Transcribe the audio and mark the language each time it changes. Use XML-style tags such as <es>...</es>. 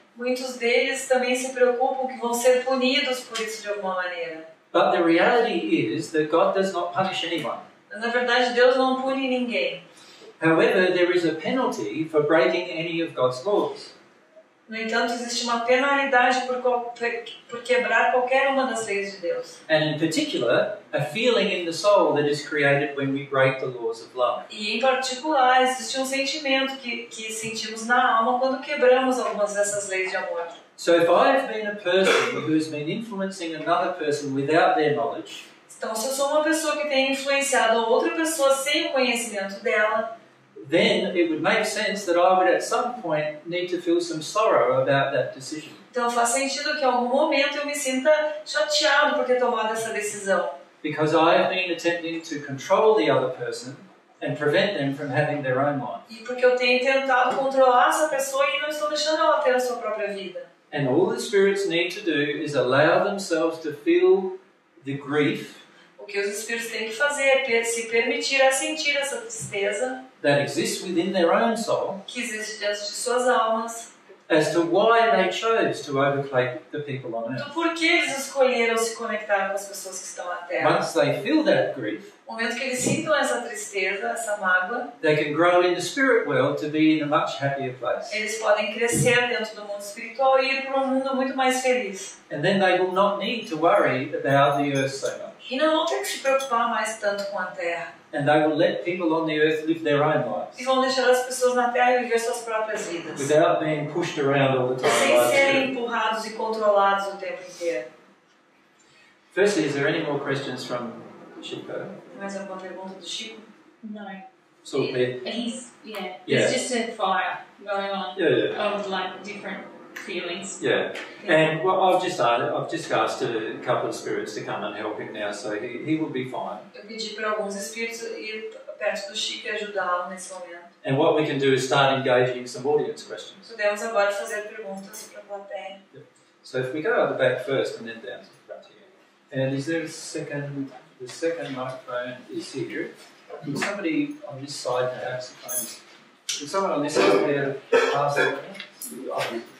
<pt>Muitos deles também se preocupam que vão ser punidos por isso de alguma maneira.</pt> <en>But the reality is that God does not punish anyone.</en> <pt>Na verdade, Deus não pune ninguém.</pt> <en>However, there is a penalty for breaking any of God's laws.</en> <pt>No entanto, existe uma penalidade por quebrar qualquer uma das leis de Deus.</pt> <en>And in particular, a feeling in the soul that is created when we break the laws of love.</en> <pt>E em particular, existe sentimento que sentimos na alma quando quebramos algumas dessas leis de amor.</pt> <en>So if I have been a person who's been influencing another person without their knowledge,</en> <pt>então se eu sou uma pessoa que tem influenciado outra pessoa sem o conhecimento dela,</pt> <en>then it would make sense that I would at some point need to feel some sorrow about that decision.</en> <pt>Então faz sentido que em algum momento eu me sinta chateado por ter tomado essa decisão.</pt> <en>Because I have been attempting to control the other person and prevent them from having their own life.</en> <pt>E porque eu tenho tentado controlar essa pessoa e não estou deixando ela ter a sua própria vida.</pt> <en>And all the spirits need to do is allow themselves to feel the grief.</en> <pt>O que os espíritos têm que fazer é se permitir a sentir essa tristeza.</pt> <en>That exists within their own soul.</en> <pt>Que existe dentro de suas almas.</pt> <en>As to why they chose to overtake the people on earth.</en> <pt>Do porquê eles escolheram se conectar com as pessoas que estão na Terra.</pt> <en>Once they feel that grief.</en> <pt>No momento que eles sintam essa tristeza, essa mágoa.</pt> <en>They can grow in the spirit world to be in a much happier place.</en> <pt>Eles podem crescer dentro do mundo espiritual e ir para mundo muito mais feliz.</pt> <en>And then they will not need to worry about the earth so much.</en> <pt>E não vão ter que se preocupar mais tanto com a Terra.</pt> <en>And they will let people on the earth live their own lives.</en> <pt>E vão deixar as pessoas na Terra viver suas próprias vidas.</pt> <en>Without being pushed around all the time.</en> <pt>Sem serem empurrados e controlados o tempo inteiro.</pt> <en>Firstly, is there any more questions from Chico?</en> <pt>Mais alguma pergunta do Chico?</pt> <en>No. Sort of bit. Yeah. It's just a fire going on. Yeah. Of like different feelings. Yeah. And well, I've just asked a couple of spirits to come and help him now, so he will be fine.</en> <pt>Eu pedi para alguns espíritos ir perto do Chico e ajudá-lo nesse momento.</pt> <en>And what we can do is start engaging some audience questions.</en> <pt>Podemos agora fazer perguntas para a plateia.</pt> <en>So if we go out the back first and then down to the front here. And is there a second? The second microphone is here. Can somebody on this side perhaps? Can someone on this side here pass it?</en>